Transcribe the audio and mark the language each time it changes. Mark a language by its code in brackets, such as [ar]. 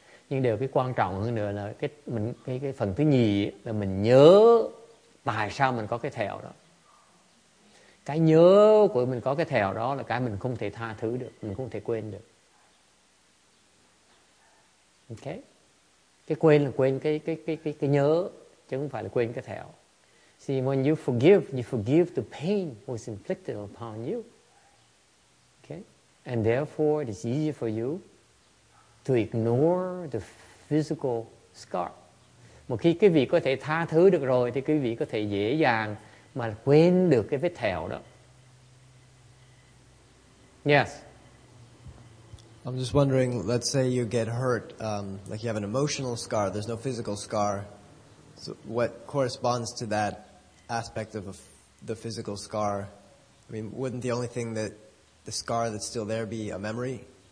[vi] Nhưng điều cái quan trọng hơn nữa là cái phần thứ nhì là mình nhớ tại sao mình có cái thẹo đó. Cái nhớ của mình có cái thẹo đó là cái mình không thể tha thứ được, mình không thể quên được. Ok. Cái quên là quên cái nhớ chứ không phải là quên cái thẹo. [en] See, when you forgive the pain was inflicted upon you. And therefore, it is easier for you to ignore the physical scar. [vi] Một khi quý vị có thể tha thứ được rồi, thì quý vị có thể dễ dàng mà quên được cái vết thẹo đó. [en] Yes. I'm just wondering, let's say you get hurt, like you have an emotional scar, there's no physical scar. So what corresponds to that aspect of the physical scar? I mean, wouldn't the only thing that the scar that's still there be a memory?